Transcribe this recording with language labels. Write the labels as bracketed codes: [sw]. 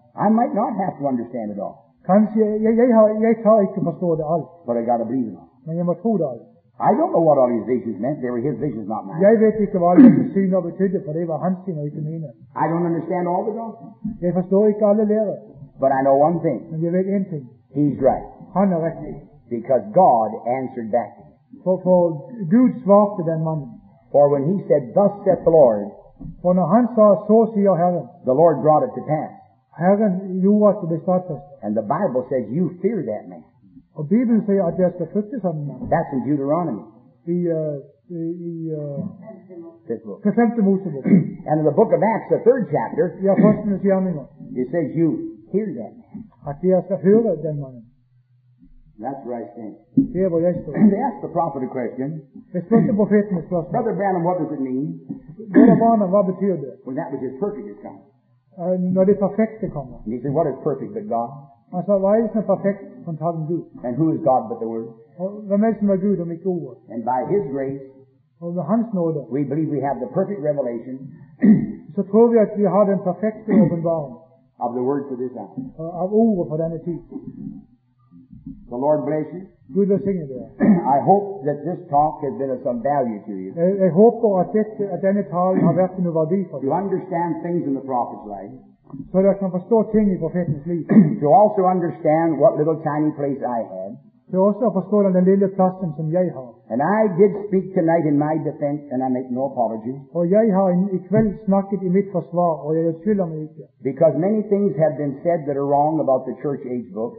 [en] I might not have to understand it all. [no] Kanskje jeg har ikke forstå det alt. [en] But I got to believe it all. [no] Men jeg må tro det alt. [en] I don't know what all his visions meant. They were his visions, not mine. [no] Jeg vet ikke hva alle hans syner betydde, for det var hans syner, ikke mine. [en] I don't understand all the doctrine. [no] Jeg forstår ikke alle lærer. [en] But I know one thing. [no] Men jeg vet en ting. [en] He's right. [no] Han rett. [en] Because God answered back. [no] For Gud svarte den mannen. [en] For when he said, "Thus saith the Lord," [no] for når han sa, "Så sier Herren," [en] the Lord brought it to pass. [no] Herren gjorde det bestått. [en] And the Bible says, "You fear that man." [no] Og Bibelen sier at det skal frykte sånn mann. [en] That's in Deuteronomy. The fifth Mosebook. And in the book of Acts, the third chapter, [no] ja, første gjerning. [en] It says, "You hear that man." [no] At jeg skal høre den mannen. [en] That's where I stand. [no] Det hvor jeg står. [en] They asked the prophet a question. [no] Jeg spurte profeten et spørsmål. [en] Brother Branham, what does it mean? [no] Brother Branham, hva betyr det? [en] When that was his perfect is coming. [no] Når det perfekte kommer. [en] He said, what is perfect but God? [no] Han sa, hva er det perfekte som tar en Gud? [en] And who is God but the Word? [no] Hvem er som er Gud om ikke ordet? [en] And by his grace, [no] og ved hans nåde, [en] we believe we have the perfect revelation. [no] Så tror vi at vi har den perfekte åpenbaring. [en] Of the Word for this hour. [no] Av ordet for denne tid. [en] The Lord bless you. [no] Gud velsigne dig. [en] I hope that this talk has been of some value to you. [no] Jeg håper at denne talen har vært noe verdi for [en] deg. To understand things in the prophet's life. [no] Så du kan forstå ting i profetens liv. [en] To also understand what little tiny place I had. [no] Så også forstå den lille plassen som jeg har. [en] And I did speak tonight in my defense, and I make no apologies. [no] Og jeg har i kveld snakket i mitt forsvar, og jeg skylder meg ikke. [en] Because many things have been said that are wrong about the church age book.